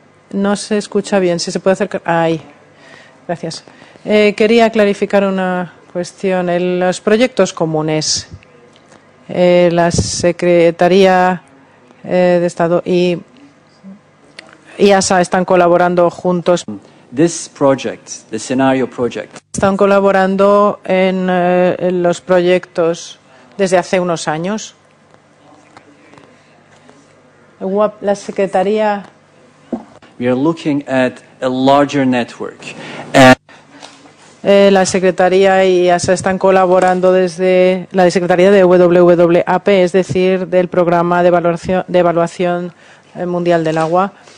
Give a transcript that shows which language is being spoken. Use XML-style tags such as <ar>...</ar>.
<es>No se escucha bien. Si se puede acercar. Ahí. Gracias. Quería clarificar una cuestión. En los proyectos comunes, la Secretaría de Estado y IASA están colaborando juntos.</es> <en>This project, the scenario project.</en> <es>Están colaborando en los proyectos desde hace unos años. La Secretaría.</es> <en>We are looking at a larger network.</en> <es>La Secretaría y IASA están colaborando desde la Secretaría de WWAP, es decir, del Programa de Evaluación Mundial del Agua.</es>